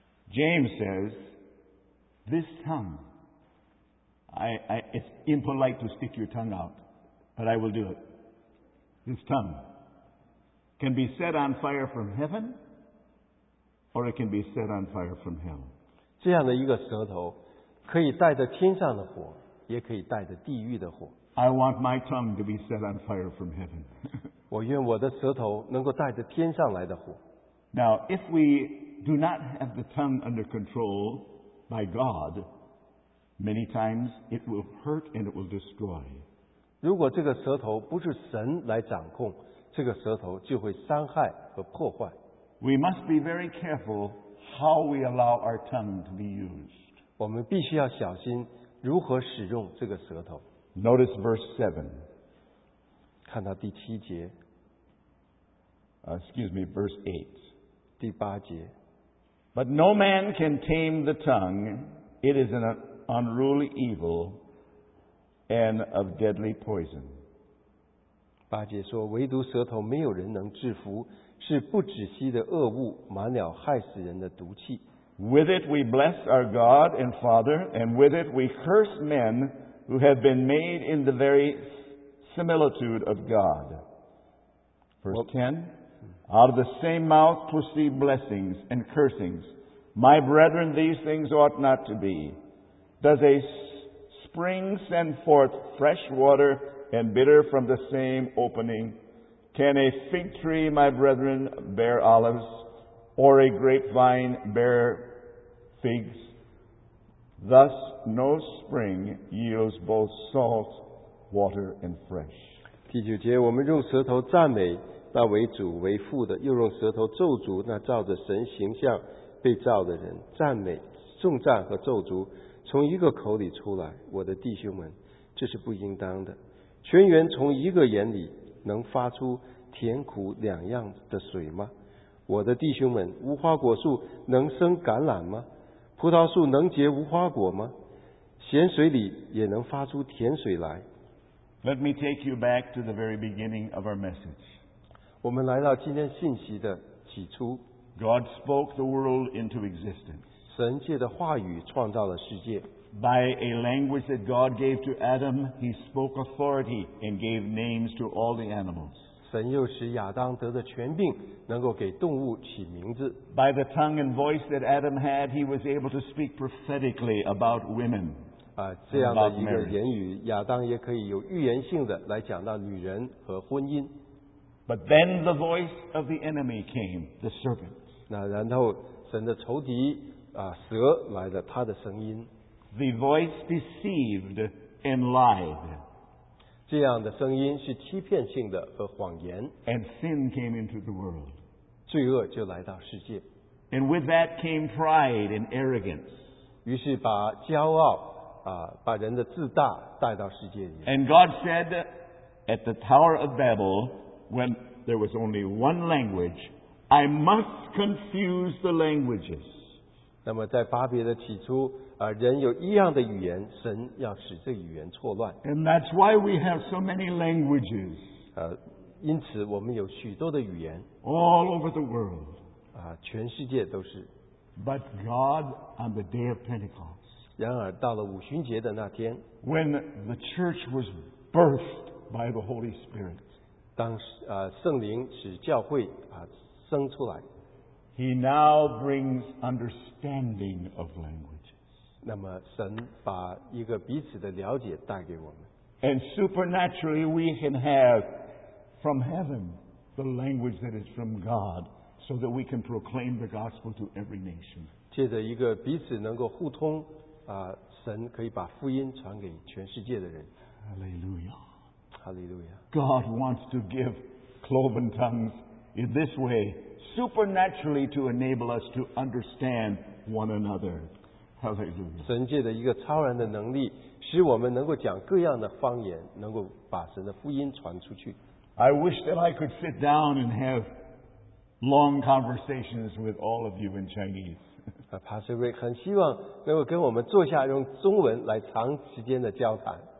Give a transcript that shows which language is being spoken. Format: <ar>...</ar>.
<en>James says This tongue I it's impolite to stick your tongue outBut I will do it. This tongue can be set on fire from heaven, or it can be set on fire from hell.</en> <zh>这样的一个舌头，可以带着天上的火，也可以带着地狱的火。</zh> <en>I want my tongue to be set on fire from heaven.</en> <zh>我愿我的舌头能够带着天上来的火。</zh> <en>Now, if we do not have the tongue under control, by God, many times it will hurt and it will destroy.</en> <zh>如果这个舌头不是神来掌控，这个舌头就会伤害和破坏。</zh> <en>We must be very careful how we allow our tongue to be used.</en> <zh>我们必须要小心如何使用这个舌头。</zh> <en>Notice verse 7.</en> <zh>看到第七节。</zh> <en>Excuse me, verse 8.</en> <zh>第八节。</zh> <en>But no man can tame the tongue, it is an unruly evil and of deadly poison.</en> <zh>八节说，唯独舌头没有人能制服，是不止息的恶物，满了害死人的毒气。</zh> <en>With it we bless our God and Father, and with it we curse men who have been made in the very similitude of God. Verse 10. Out of the same mouth proceed blessings and cursings. My brethren, these things ought not to be. Does a spring send forth fresh water and bitter from the same opening? Can a fig tree, my brethren, bear olives, or a grapevine bear figs? Thus no spring yields both salt, water, and fresh.</en> <zh>第九节，我们用舌头赞美那为主为父的，又用舌头咒诅那照着神形象被造的人，赞美、颂赞和咒诅从一个口里出来，我的弟兄们，这是不应当的。泉源从一个眼里能发出甜苦两样的水吗？我的弟兄们，无花果树能生橄榄吗？葡萄树能结无花果吗？咸水里也能发出甜水来。</zh> <en>Let me take you back to the very beginning of our message.</en> <zh>我们来到今天信息的起初。</zh> <en>God spoke the world into existence.</en> <zh>神借着话语创造了世界。</zh> <en>By a language that God gave to Adam, he spoke authority and gave names to all the animals.</en> <zh>神又使亚当得的权柄能够给动物起名字。</zh> <en>By the tongue and voice that Adam had, he was able to speak prophetically about women.</en> <zh>这样的一个言语，亚当也可以有预言性的来讲到女人和婚姻。</zh> <en>But then the voice of the enemy came, the serpent.</en> <zh>那然后神的仇敌蛇来了，他的声音。</zh> <en>The voice deceived and lied.</en> <zh>这样的声音是欺骗性的和谎言。</zh> <en>And sin came into the world.</en> <zh>罪恶就来到世界。</zh> <en>And with that came pride and arrogance.</en> <zh>于是把骄傲把人的自大带到世界里。</zh> <en>And God said at the Tower of Babel, when there was only one language, I must confuse the languages.</en> <zh>那么在巴别的起初人有一样的语言，神要使这语言错乱。</zh> <en>And that's why we have so many languages.</en> <zh>因此我们有许多的语言。</zh> <en>All over the world.</en> <zh>全世界都是。</zh> <en>But God, on the day of Pentecost,</en> <zh>然而到了五旬节的那天，</zh> <en>when the church was birthed by the Holy Spirit,</en> <zh>当圣灵使教会生出来，</zh> <en>He now brings understanding of language.</en> <zh>那么神把一个彼此的了解带给我们。</zh> <en>And supernaturally we can have from heaven the language that is from God so that we can proclaim the gospel to every nation.</en> <zh>借着一个彼此能够互通神可以把福音传给全世界的人。</zh> <en>Hallelujah. Hallelujah. God wants to give cloven tongues in this way supernaturally to enable us to understand one another.</en> <zh>神借着一个超然的能力，使我们能够讲各样的方言，能够把神的福音传出去。</zh> <en>I wish that I could sit down and have long conversations with all of you in Chinese.</en> <zh>Pastor Rick 很希望能够跟我们坐下，用中文来长时间的交谈。</zh>